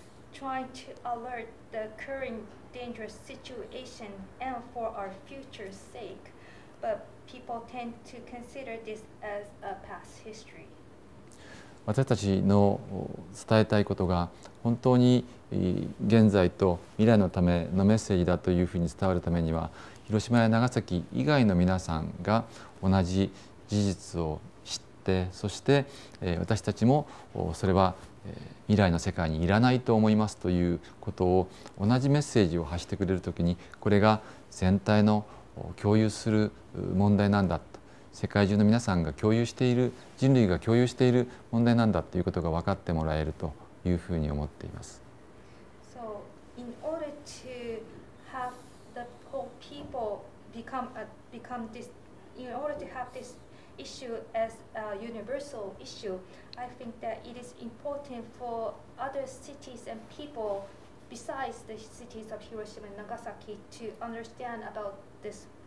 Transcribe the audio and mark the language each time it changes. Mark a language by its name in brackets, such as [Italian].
[English] Trying to alert the current dangerous situation and for our future's sake, but people tend to consider this as a past history. [Japanese] 私たちの伝えたいことが本当に現在と未来のためのメッセージだというふうに伝わるためには、広島や長崎以外の皆さんが同じ事実を知って、そして私たちもそれは未来の世界にいらないと思いますということを同じメッセージを発してくれるときに、これが全体の共有する問題なんだと、世界中の皆さんが共有している、人類が共有している問題なんだということが分かってもらえるというふうに思っています。 [English] So in order to have the whole people become this, in order to have this issue as a universal issueI think that it is important for other cities and people besides the cities of Hiroshima and Nagasaki to understand about this